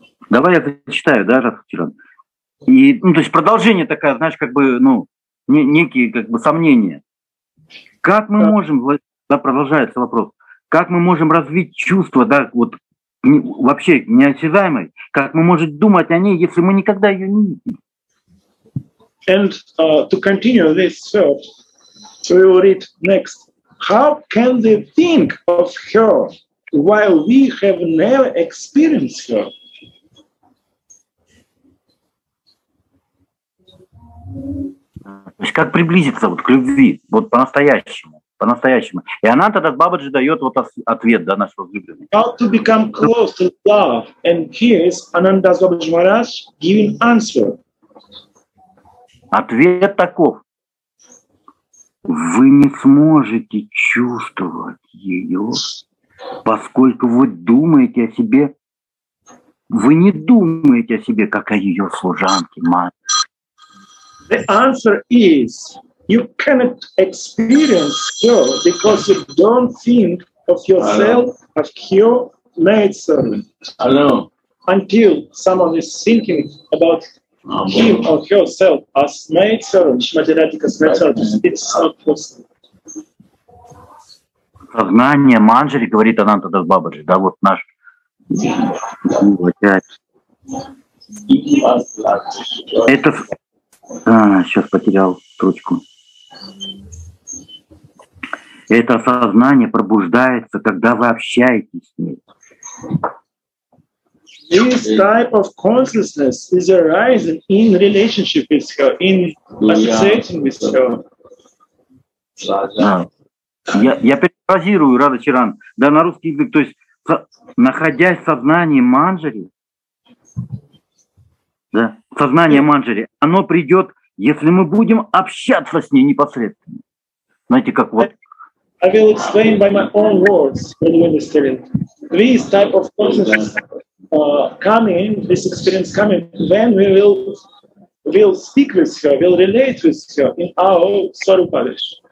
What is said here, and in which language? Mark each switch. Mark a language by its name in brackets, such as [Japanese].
[Russian] Давай я зачитаю, да, Радхаран. И, ну, то есть продолжение такое, знаешь, как бы, ну, некие как бы сомнения. Как мы можем, да, продолжается вопрос, как мы можем развить чувство, да, вот вообще неосязаемой, как мы можем думать о ней, если мы никогда ее не видим? [English] And to continue this thought, so we will read next. How can they think of her while we have never experienced her? [Russian] То есть как приблизиться вот к любви, вот по-настоящему? по-настоящему. И она тогда, Бабаджи, дает вот ответ, да, наш возлюбленный. [English] How to become close to love. And here is Ananda's Babaji Maharaj giving answer. [Russian] Ответ таков. Вы не сможете чувствовать ее, поскольку вы думаете о себе. Вы не думаете о себе, как о ее служанке, матушке. [English] The answer is... You cannot experience her because you don't think of yourself as her maidservant. Hello. Until someone is thinking about him or herself as maidservant, Shrimati Radhika's maidservant, it's not possible. [Russian] Сознание Манджари говорит Ананта Дас Бабаджи, да, вот наш Это сейчас потерял ручку. Это сознание пробуждается, когда вы общаетесь с ним. [English] This type of consciousness is arising in relationship with her, in associating with her. [Russian] Я перефразирую, Рада Чиран, да, на русский язык, то есть находясь в сознании Манджари, да, сознание Манджари, оно придет. Если мы будем общаться с ней непосредственно. Знаете, как вот... [English] I will explain by my own words, when you understand. This type of consciousness coming, this experience coming, when we will speak with her, will relate with her in our Swarupadesh.